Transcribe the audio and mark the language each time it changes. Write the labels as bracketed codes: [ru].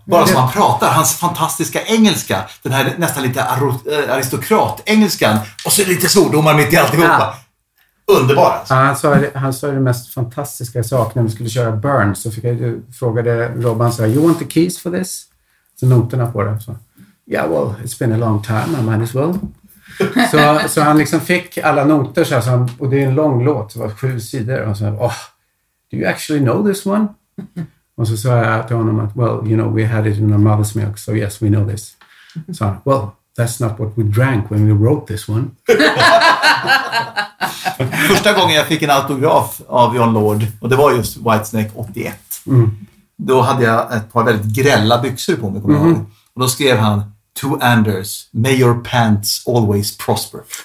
[sv] Bara som han pratar, hans fantastiska engelska, den här nästan lite aristokrat-engelskan, och så är det lite svordomar mitt i alltihopa. Ja. Underbart. Ja, han sa det mest fantastiska sak när vi skulle köra Burn, så fick jag fråga Robban, så här, [en] you want the keys for this? [sv] Så noterna på det. Så, [en] yeah, well, it's been a long time, I might as well. [sv] Så han liksom fick alla noter, så här, och det är en lång låt, det var 7 sidor, och så här, [en] oh, do you actually know this one? [sv] Och så sa jag till honom att, [en] well, you know, we had it in our mother's milk, so yes, we know this. [sv] Så han, [en] well, that's not what we drank when we wrote this one. [sv] Första gången jag fick en autograf av John Lord, och det var just Whitesnake 81. Mm. Då hade jag ett par väldigt grälla byxor på mig, kommer jag ihåg. Och då skrev han, [en] to Anders, may your pants always prosper.